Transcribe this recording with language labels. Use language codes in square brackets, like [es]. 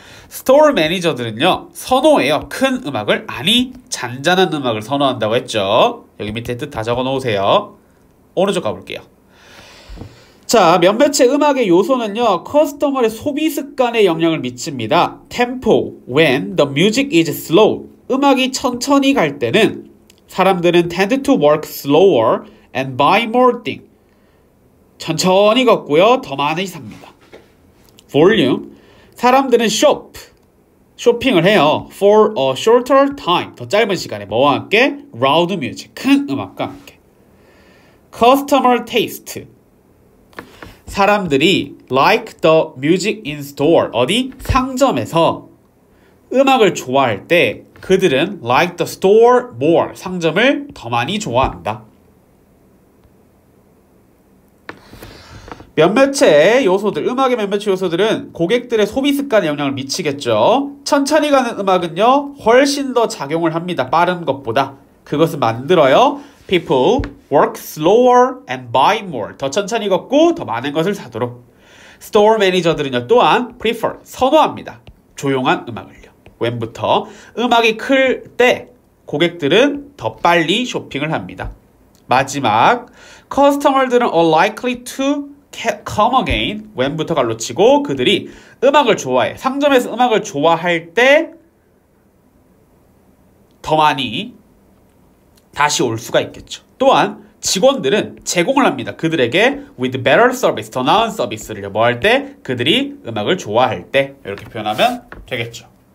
[ko] Store 매니저들은요, 선호해요. 큰 음악을, 아니, 잔잔한 음악을 선호한다고 했죠. 여기 밑에 뜻다 적어 놓으세요. 오른쪽 가볼게요. 자, 몇몇의 음악의 요소는요, 커스터머의 소비 습관에 영향을 미칩니다. [en] Tempo, when the music is slow. [ko] 음악이 천천히 갈 때는 사람들은 [en] tend to work slower and buy more things. [ko] 천천히 걷고요, 더 많이 삽니다. Volume, 사람들은 쇼핑을 해요. [en] For a shorter time, [ko] 더 짧은 시간에. 뭐와 함께? [en] Loud music, [ko] 큰 음악과 함께. [en] Customer taste. [ko] 사람들이 [en] like the music in store, [ko] 어디? 상점에서 음악을 좋아할 때 그들은 [en] like the store more, [ko] 상점을 더 많이 좋아한다. 몇몇의 요소들, 음악의 몇몇의 요소들은 고객들의 소비 습관에 영향을 미치겠죠. 천천히 가는 음악은요, 훨씬 더 작용을 합니다. 빠른 것보다. 그것을 만들어요. [en] People work slower and buy more. [ko] 더 천천히 걷고 더 많은 것을 사도록. Store 매니저들은요, 또한 prefer, 선호합니다. 조용한 음악을요. 웬부터 음악이 클때 고객들은 더 빨리 쇼핑을 합니다. 마지막, [en] customer들은 are likely to come again. [ko] 웬부터 갈로 치고 그들이 음악을 좋아해. 상점에서 음악을 좋아할 때더 많이 다시 올 수가 있겠죠. 또한 직원들은 제공을 합니다. 그들에게 [en] with better service, [ko] 더 나은 서비스를 뭐할 때? 그들이 음악을 좋아할 때. 이렇게 표현하면 되겠죠.